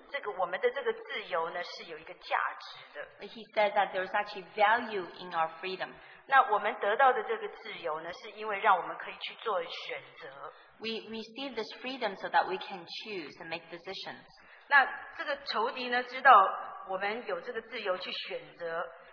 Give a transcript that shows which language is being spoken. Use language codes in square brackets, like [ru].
[zh] 但是呢，他说这个选择的理，这个我们的这个自由呢，是有一个价值的。 [en] He said that there is actually value in our freedom. [zh] 那我们得到的这个自由呢，是因为让我们可以去做选择。 [en] We receive this freedom so that we can choose and make decisions. [zh] 那这个仇敌呢，知道我们有这个自由去选择。